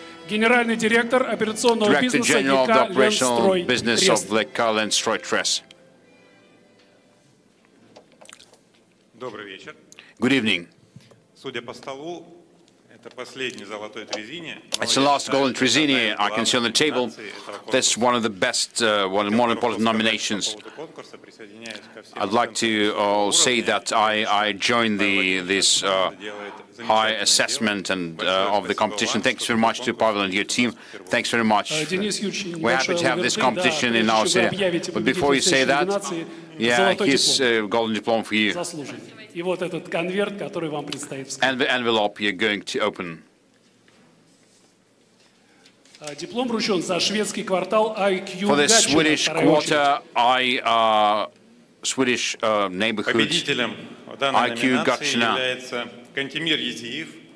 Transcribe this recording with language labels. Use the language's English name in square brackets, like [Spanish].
[Russian] Генеральный директор операционного бизнеса «ЛЕКА Ленстрой Трес». Добрый вечер. [English] Good evening. [Russian] Судя по столу, это последний золотой Трезини. [English] It's the last golden Trezzini I can see on the table. That's one of the best, one of the more important nominations. I'd like to say that I join this high assessment and of the competition. Thanks very much to Pavel and your team. Thanks very much. We're happy to have this competition in our city. But before you say that, yeah, here's a golden diploma for you. [Russian] И вот этот конверт, который вам предстоит вскрыть. [English] And the envelope you're going to open. [Russian] Диплом вручён за шведский квартал IQ. [English] For the Swedish quarter, Swedish neighborhood. [Russian] Победителем в данной номинации является Кантемир Езиев,